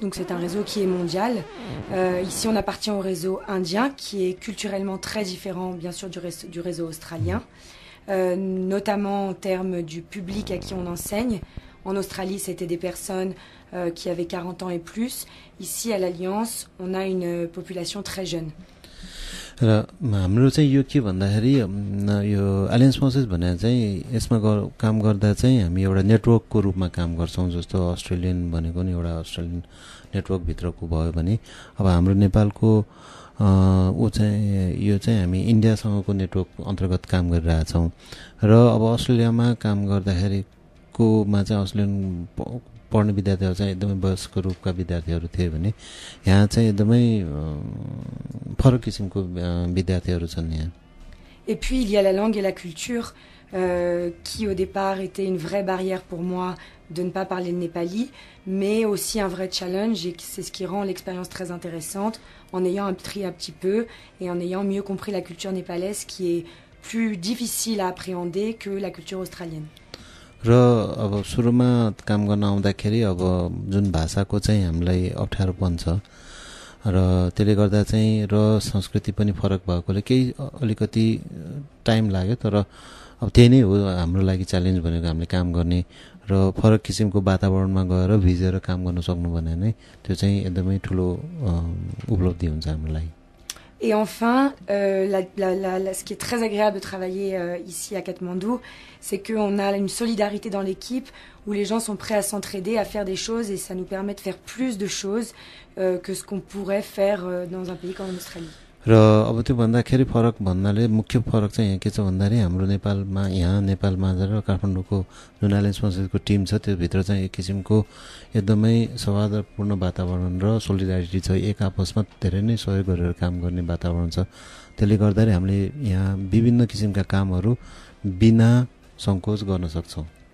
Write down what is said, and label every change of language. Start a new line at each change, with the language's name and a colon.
French: Donc, c'est un réseau qui est mondial. Ici, on appartient au réseau indien, qui est culturellement très différent, bien sûr, du réseau australien, notamment en termes du public à qui on enseigne. En Australie, c'était des personnes qui avaient 40 ans et plus. Ici, à l'Alliance, on a une population très jeune.
Nepali: हाम्रो चाहिँ यो के भन्दाखेरि यो aliens forces भनेर चाहिँ यसमा काम गर्दा चाहिँ हामी एउटा नेटवर्कको रूपमा काम गर्छौँ जस्तो अस्ट्रेलियन भनेको नि एउटा अस्ट्रेलियन नेटवर्कभित्रको भयो भने अब हाम्रो नेपालको ऊ चाहिँ यो चाहिँ हामी इन्डियासँगको नेटवर्क अन्तर्गत काम गरिरहेछौँ र अब अस्ट्रेलियामा काम गर्दाखेरिकोमा चाहिँ अस्ट्रेलियन पढ्ने विद्यार्थीहरू चाहिँ एकदमै वयस्क रूपका विद्यार्थीहरू थिए भने यहाँ चाहिँ एकदमै फरक किसिमको विद्यार्थीहरू छन् यहाँ
French: Et puis il y a la langue et la culture qui au départ était une vraie barrière pour moi de ne pas parler le népali mais aussi un vrai challenge et c'est ce qui rend l'expérience très intéressante en ayant appris un petit peu et en ayant mieux compris la culture népalaise qui est plus difficile à appréhender que la culture australienne.
Nepali: र अब सुरुमा काम गर्न आउँदाखेरि अब जुन भाषाको चाहिँ हामीलाई अप्ठ्यारो पर्छ र त्यसले गर्दा चाहिँ र संस्कृति पनि फरक भएकोले केही अलिकति टाइम लाग्यो तर अब त्यही नै हो हाम्रो लागि च्यालेन्ज भनेको हामीले काम गर्ने र फरक किसिमको वातावरणमा गएर भिजेर काम गर्न सक्नु भने नै त्यो चाहिँ एकदमै ठुलो उपलब्धि हुन्छ हाम्रो लागि
French: Et enfin, ce qui est très agréable de travailler ici à Katmandou, c'est qu'on a une solidarité dans l'équipe où les gens sont prêts à s'entraider, à faire des choses et ça nous permet de faire plus de choses que ce qu'on pourrait faire dans un pays comme l'Australie.
Nepali: र अब त्यो भन्दाखेरि फरक भन्नाले मुख्य फरक चाहिँ यहाँ के छ भन्दाखेरि हाम्रो नेपालमा यहाँ नेपालमा र काठमाडौँको जुन एलियन्स फोर्सेसको टिम छ त्योभित्र चाहिँ एक किसिमको एकदमै सौहार्दपूर्ण वातावरण र सोलिडारिटी छ एक आपसमा धेरै नै सहयोग गरेर काम गर्ने वातावरण छ त्यसले गर्दाखेरि हामीले यहाँ विभिन्न किसिमका कामहरू बिना सङ्कोच गर्न सक्छौँ